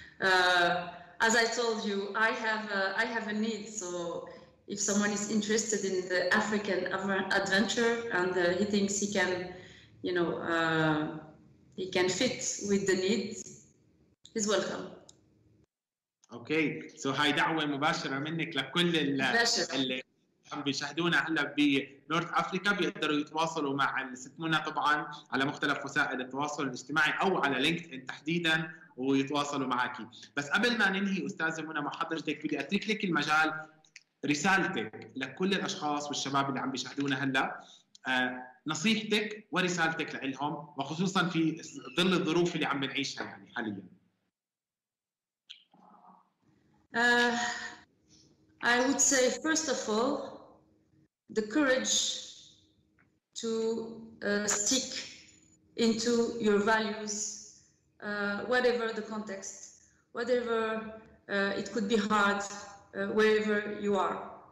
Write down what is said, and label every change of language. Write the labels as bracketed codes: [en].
[en] As I told you, I have a need. So if someone is interested in the African adventure and he thinks he can, you know, he can fit with the needs, he's welcome. Okay. So [ar] هاي دعوة مباشرة منك لكل اللي عم بيشاهدونا هلا بنورث افريكا بيقدروا يتواصلوا مع الست منى طبعا على مختلف وسائل التواصل الاجتماعي او على لينكدين تحديدا ويتواصلوا معاكي. بس قبل ما ننهي استاذه منى مع حضرتك بدي اترك لك المجال رسالتك لكل الاشخاص والشباب اللي عم بيشاهدونا هلا نصيحتك ورسالتك لهم وخصوصا في ظل الظروف اللي عم بنعيشها يعني حاليا. [en] I would say, first of all, the courage to stick into your values, whatever the context, whatever it could be hard, wherever you are.